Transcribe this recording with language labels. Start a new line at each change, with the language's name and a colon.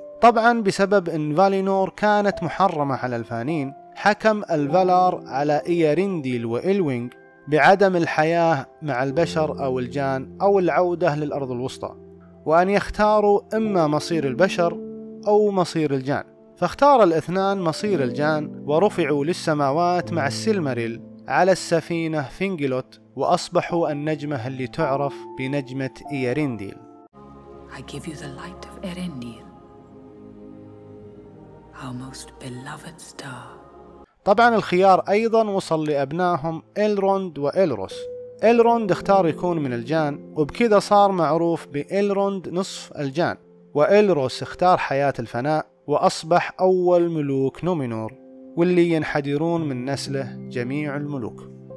Arabic: طبعا بسبب أن فالينور كانت محرمة على الفانين، حكم الفالار على إيرينديل وإلوينغ بعدم الحياة مع البشر أو الجان أو العودة للأرض الوسطى، وأن يختاروا إما مصير البشر أو مصير الجان. فاختار الاثنان مصير الجان ورفعوا للسماوات مع السيلماريل على السفينة فينجيلوت، وأصبحوا النجمة اللي تعرف بنجمة إيرينديل.
English: I give you the light of Erendil, our most beloved star.
Arabic: طبعا الخيار أيضا وصل لأبنائهم إلروند وإلروس. إلروند اختار يكون من الجان، وبكذا صار معروف بإلروند نصف الجان، وإلروس اختار حياة الفناء وأصبح أول ملوك نومينور، واللي ينحدرون من نسله جميع الملوك.